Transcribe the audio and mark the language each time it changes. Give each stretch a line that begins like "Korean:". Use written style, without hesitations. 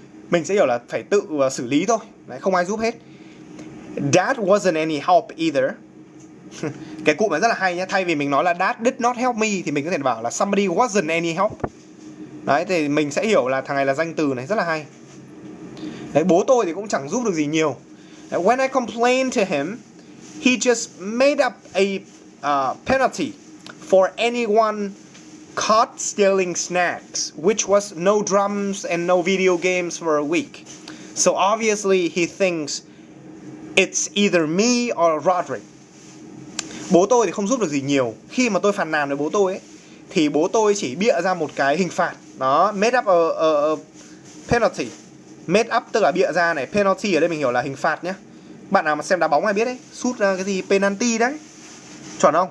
Vietnamese: Mình sẽ hiểu là phải tự xử lý thôi. Đấy không ai giúp hết.
English: Dad wasn't any help either.
Vietnamese: Cái cụm này rất là hay nhá, thay vì mình nói là
English: dad did not help me
Vietnamese: thì mình có thể bảo là
English: somebody wasn't any help.
Vietnamese: Đấy thì mình sẽ hiểu là thằng này là danh từ này, rất là hay. Đấy, bố tôi thì cũng chẳng giúp được gì nhiều.
English: When I complained to him, he just made up a penalty for anyone caught stealing snacks, which was no drums and no video games for a week. So obviously he thinks it's either me or Roderick.
Vietnamese: Bố tôi thì không giúp được gì nhiều. Khi mà tôi phàn nàn với bố tôi ấy, thì bố tôi chỉ bịa ra một cái hình phạt. Đó,
English: made up a penalty.
Vietnamese: Made up tức là bịa ra này, penalty ở đây mình hiểu là hình phạt nhá. Bạn nào mà xem đá bóng ai biết đấy, sút ra cái gì penalty đấy. Chuẩn không?